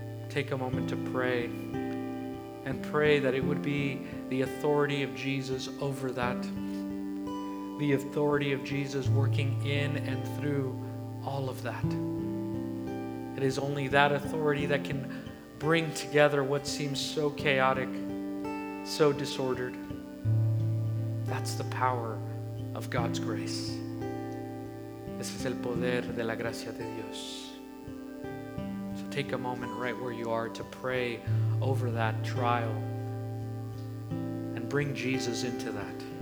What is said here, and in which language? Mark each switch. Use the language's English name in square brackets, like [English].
[English] Take a moment to pray, and pray that it would be the authority of Jesus over that, the authority of Jesus working in and through all of that. It is only that authority that can bring together what seems so chaotic, so disordered. That's the power of God's grace. [Spanish] Ese es el poder de la gracia de Dios. [English] So take a moment right where you are to pray over that trial and bring Jesus into that.